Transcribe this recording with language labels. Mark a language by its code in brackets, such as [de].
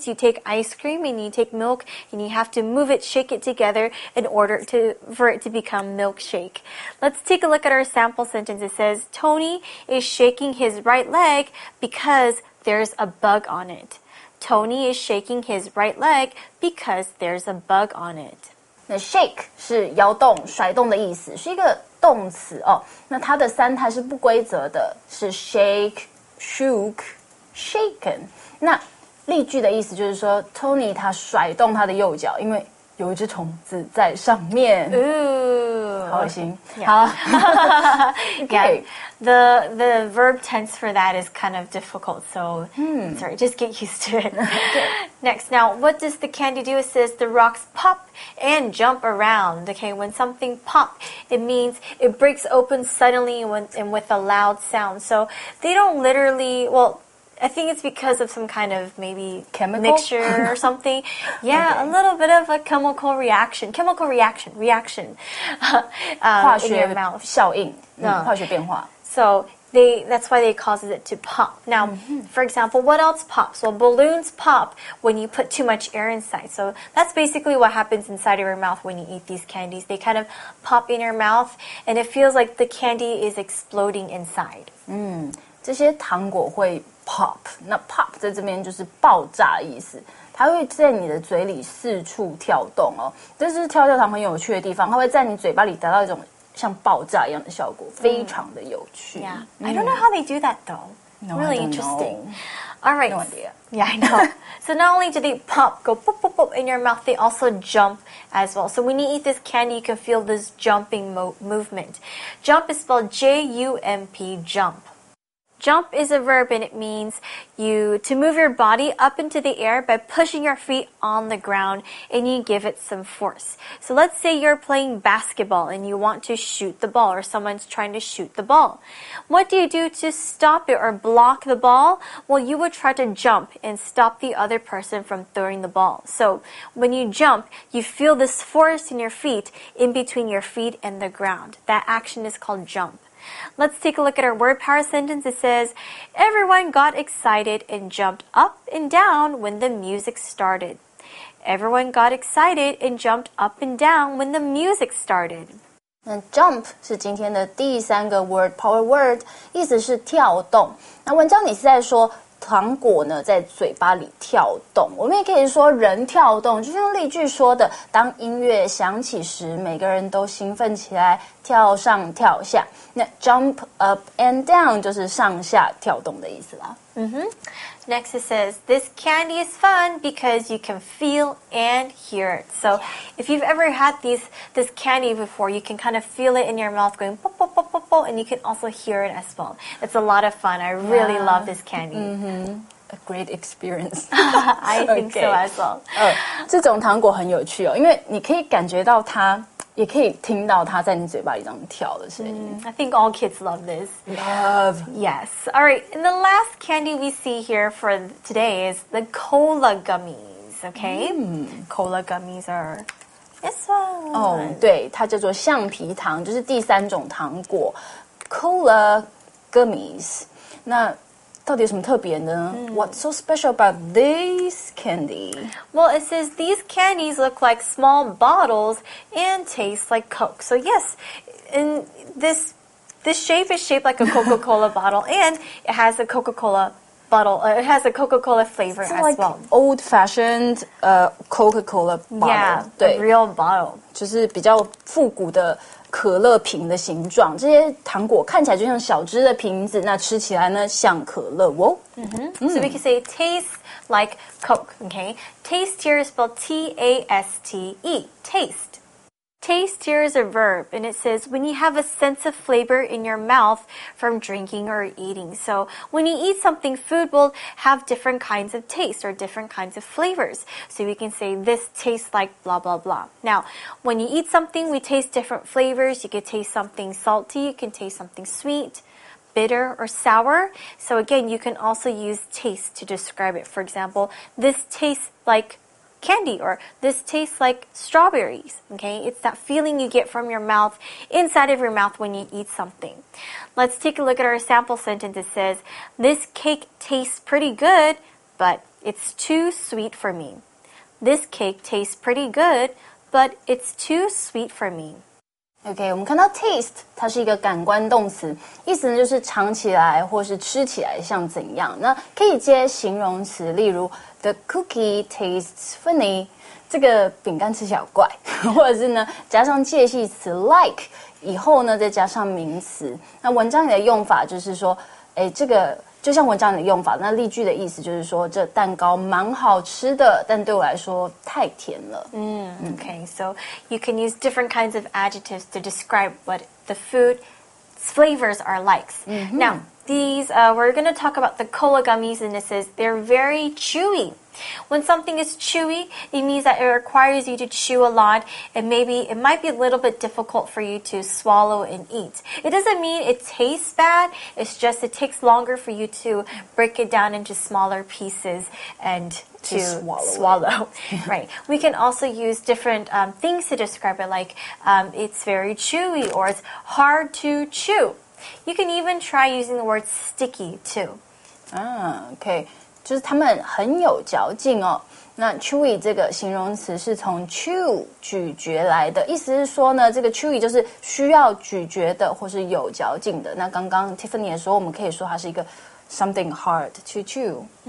[en] You take ice cream and you take milk, and you have to move it, shake it together in order for it to become milkshake. Let's take a look at our sample sentence. It says, Tony is shaking his right leg because there's a bug on it. Tony is shaking his right leg because there's a bug on it. [zh] 那 shake 是摇动、甩动的意思，是一个动词哦。那它的三态是不规则的，是 [en] shake, shook, shaken。 [zh] 那例句的意思就是说 ，Tony 他甩动他的右脚，因为有一只虫子在上面。 Ooh, 好心。 [en] Yeah. Yeah. The verb tense for that is kind of difficult, so sorry, just get used to it. Next, now, what does the candy do? It says the rocks pop and jump around. Okay, when something pop, it means it breaks open suddenly and with a loud sound. So they don't literally, well, I think it's because of some kind of maybe chemical mixture or something. Yeah, okay. A little bit of a chemical reaction. Chemical reaction. Reaction. [zh] 化学效应，化学变化。 [en] So that's why they causes it to pop. Now, for example, what else pops? Well, balloons pop when you put too much air inside. So that's basically what happens inside of your mouth when you eat these candies. They kind of pop in your mouth, and it feels like the candy is exploding inside. [zh] 这些糖果会 pop， 那 pop 在这边就是爆炸意思，它会在你的嘴里四处跳动哦。这是跳跳糖很有趣的地方，它会在你嘴巴里达到一种像爆炸一样的效果，非常的有趣。 [en] Yeah. I don't know how they do that though. No, really interesting. All right. No idea. Yeah, I know. So not only do they pop, go pop, pop, pop in your mouth, they also jump as well. So when you eat this candy, you can feel this jumping movement. Jump is spelled J-U-M-P, jump. Jump is a verb and it means you to move your body up into the air by pushing your feet on the ground and you give it some force. So let's say you're playing basketball and you want to shoot the ball or someone's trying to shoot the ball. What do you do to stop it or block the ball? Well, you would try to jump and stop the other person from throwing the ball. So when you jump, you feel this force in your feet, in between your feet and the ground. That action is called jump. Let's take a look at our word power sentence. It says, everyone got excited and jumped up and down when the music started. Everyone got excited and jumped up and down when the music started. 那 jump 是今天的第三个 word power word，意思是跳动。那文章你是在说 糖果呢在嘴巴里跳动，我们也可以说人跳动，就像例句说的，当音乐响起时，每个人都兴奋起来，跳上跳下。那 jump up and down 就是上下跳动的意思啦。 Next it says, this candy is fun because you can feel and hear it. So if you've ever had this candy before, you can kind of feel it in your mouth going pop, pop, pop, pop, pop, and you can also hear it as well. It's a lot of fun. I really love this candy. A great experience. I think so as well. 这种糖果很有趣哦，因为你可以感觉到它 也可以听到它在你嘴巴里这样跳的声音。 I think all kids love this. Love. Yes. All right. And the last candy we see here for today is the cola gummies. Okay. Cola gummies are this one. [zh] Oh, 对，它叫做橡皮糖，就是第三种糖果. Cola gummies. 那到底有什么特别呢？ [en] What's so special about these candy? Well, it says these candies look like small bottles and taste like Coke. So yes, and this shape is shaped like a Coca-Cola bottle, and it has a Coca-Cola bottle. It has a Coca-Cola flavor as like well. Old-fashioned Coca-Cola bottle. Yeah, [zh] 对, [en] a real bottle. [zh] 就是比较复古的 可乐瓶的形状，这些糖果看起来就像小只的瓶子，那吃起来呢像可乐哦。 [en] So we can say taste like Coke, okay? Taste here is spelled T-A-S-T-E, taste. Taste here is a verb, and it says when you have a sense of flavor in your mouth from drinking or eating. So when you eat something, food will have different kinds of taste or different kinds of flavors. So we can say this tastes like blah, blah, blah. Now, when you eat something, we taste different flavors. You can taste something salty, you can taste something sweet, bitter, or sour. So again, you can also use taste to describe it. For example, this tastes like candy, or this tastes like strawberries, okay? It's that feeling you get from your mouth, inside of your mouth when you eat something. Let's take a look at our sample sentence. It says, this cake tastes pretty good, but it's too sweet for me. This cake tastes pretty good, but it's too sweet for me. [zh] Okay, 我们看到 taste, 它是一个感官动词，意思呢就是尝起来或是吃起来像怎样。那可以接形容词，例如 [en] the cookie tastes funny, [zh] 这个饼干吃起来怪，或者是呢加上介系词 like 以后呢再加上名词。那文章里的用法就是说，哎，这个就像文章的用法，那例句的意思就是说这蛋糕蛮好吃的，但对我来说太甜了。 [en] Okay, so you can use different kinds of adjectives to describe what the food's flavors are like. Now, we're going to talk about the cola gummies, and it says they're very chewy. When something is chewy, it means that it requires you to chew a lot, and maybe it might be a little bit difficult for you to swallow and eat. It doesn't mean it tastes bad, it's just it takes longer for you to break it down into smaller pieces and to swallow. Right. We can also use different things to describe it, like it's very chewy or it's hard to chew. You can even try using the word sticky, too. [zh] Okay. 就是他们很有嚼劲哦。那 chewy 这个形容词是从 chew 咀嚼来的，意思是说呢，这个 chewy 就是需要咀嚼的或是有嚼劲的。那刚刚 Tiffany 也说，我们可以说它是一个 [en] something hard to chew。